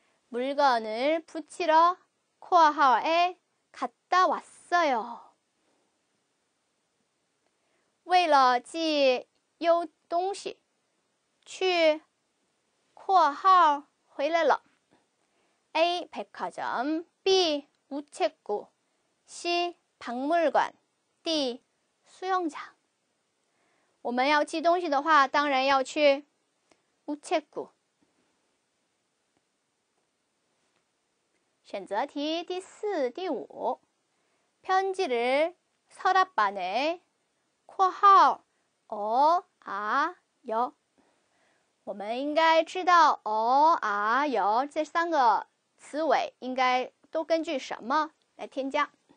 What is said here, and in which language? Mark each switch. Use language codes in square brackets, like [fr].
[ko] 물건을붙이러括号에갔다왔어요。 [zh] 为了寄邮东西，去括号回来了。 [ko] A 백화점 B 우체국 C 박물관 D 수영장。 [zh] 我们要寄东西的话，当然要去우체국。选择题第四、第五， [ko] 편지를서랍안에括号어아여， [zh] 我们应该知道어아여这三个词尾应该都根据什么来添加？